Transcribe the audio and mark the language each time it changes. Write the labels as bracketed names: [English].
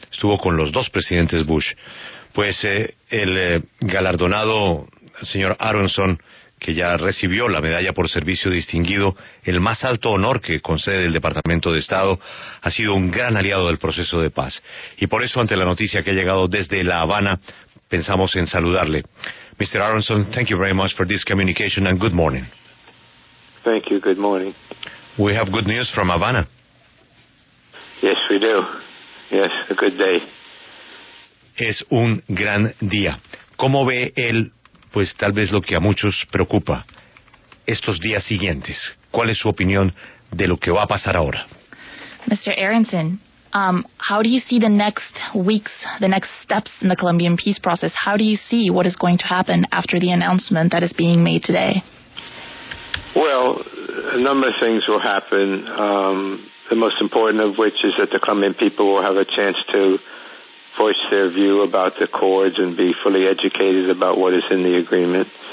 [Spanish] Estuvo con los dos presidentes Bush. Pues galardonado señor Aronson, que ya recibió la medalla por servicio distinguido, el más alto honor que concede el Departamento de Estado, ha sido un gran aliado del proceso de paz. Y por eso, ante la noticia que ha llegado desde La Habana, pensamos en saludarle. [English] Mr. Aronson, thank you very much for this communication and good morning. Thank you, good morning. We have good news from Havana. Yes, we do. Yes, a good day. [Spanish] Es un gran día. ¿Cómo ve él, pues tal vez lo que a muchos preocupa, estos días siguientes? ¿Cuál es su opinión de lo que va a pasar ahora? [English] Mr. Aronson, how do you see the next weeks, the next steps in the Colombian peace process? How do you see what is going to happen after the announcement that is being made today? Well, a number of things will happen, the most important of which is that the Colombian people will have a chance to voice their view about the accords and be fully educated about what is in the agreement.